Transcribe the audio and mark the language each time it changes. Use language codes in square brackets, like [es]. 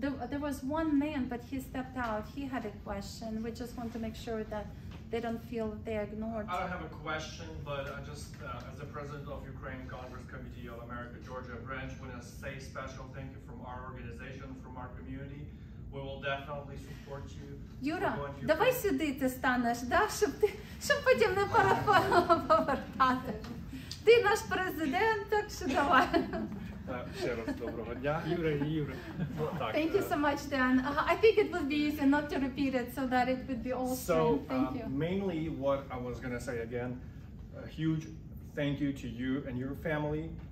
[en] There was one man, but he stepped out. He had a question. We just want to make sure that they don't feel they are ignored. I don't have a question, but I just, as the president of Ukraine Congress Committee of America Georgia branch, want to say special thank you from our organization, from our community. We will definitely support you. [uk] Юра, давай сюди ти станеш, да, щоб потім не пора повертати. Ти наш президент, так що давай. Ще раз доброго дня. Юра. [en] Thank you so much, Dan. I think it would be easy not to repeat it so that it would be all awesome. So, thank you. Mainly what I was going to say again, a huge thank you to you and your family.